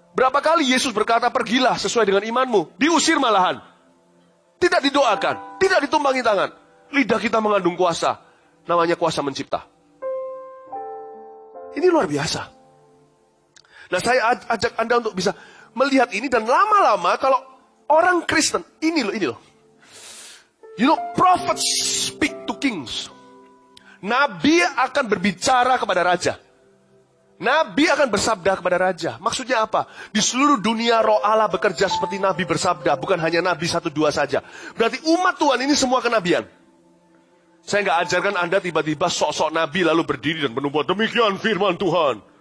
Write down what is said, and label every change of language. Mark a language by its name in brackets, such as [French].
[Indonesian] Berapa kali Yesus berkata, pergilah sesuai dengan imanmu. Diusir malahan. Tidak didoakan, tidak ditumbangi tangan. Lidah kita mengandung kuasa. Namanya kuasa mencipta. Ini luar biasa. Nah saya ajak Anda untuk bisa melihat ini. Dan lama-lama kalau orang Kristen. Ini loh. [English] You know, prophets speak to kings. [Indonesian] Nabi akan berbicara kepada raja. Nabi akan bersabda kepada raja. Maksudnya apa? Di seluruh dunia roh Allah bekerja seperti nabi bersabda. Bukan hanya nabi 1-2 saja. Berarti umat Tuhan ini semua kenabian. Saya gak ajarkan Anda tiba-tiba sok-sok nabi lalu berdiri dan menubuat demikian firman Tuhan.